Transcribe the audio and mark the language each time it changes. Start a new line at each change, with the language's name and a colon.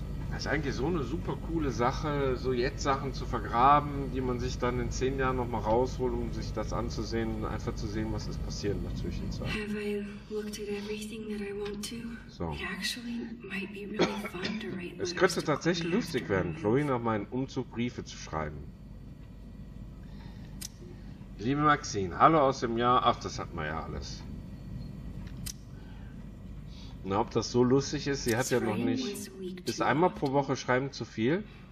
German: Das ist eigentlich so eine super coole Sache, so jetzt Sachen zu vergraben, die man sich dann in 10 Jahren nochmal rausholt, um sich das anzusehen und einfach zu sehen, was ist passiert natürlich in 2 Jahren.
English: Have I looked at everything that I want to? So. It actually might be really fun to write letters.
German: Es könnte tatsächlich lustig werden, Chloe nach meinem Umzug Briefe zu schreiben. Liebe Maxine, hallo aus dem Jahr. Ach, das hat man ja alles. Na, ob das so lustig ist, sie hat ja noch nicht... Ist einmal pro Woche schreiben zu viel?